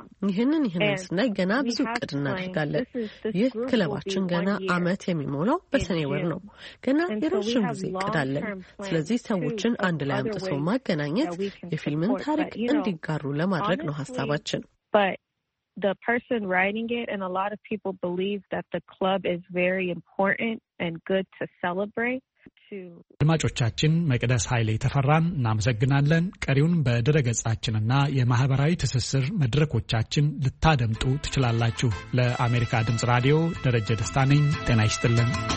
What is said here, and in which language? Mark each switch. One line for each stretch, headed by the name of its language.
Amharic: ይህንን ስናይ ገና ብዙ እቅድ እናደርጋለን። ይህ ክለባችን ገና አመት የሚሞላው በሰኔ ወር ነው። ገና የረዥም ጊዜ እቅድ አለን። ስለዚህ ሰዎችን አንድ ላይ አምጥቶ ማገናኘት የፊልምን ታሪክ እንዲጋሩ ለማድረግ ነው ሀሳባችን።
English: The person writing it, and a lot of people believe that the club is very important and good to celebrate.
Amharic: አድማጮቻችን፣ መቅደስ ኃይሌ ተፈራን እናመሰግናለን። ቀሪውን በድረገጻችንና የማህበራዊ ትስስር መድረኮቻችን ልታደምጡ ትችላላችሁ። ለአሜሪካ ድምፅ ራዲዮ ደረጀ ደስታ ነኝ። ጤና ይስጥልን።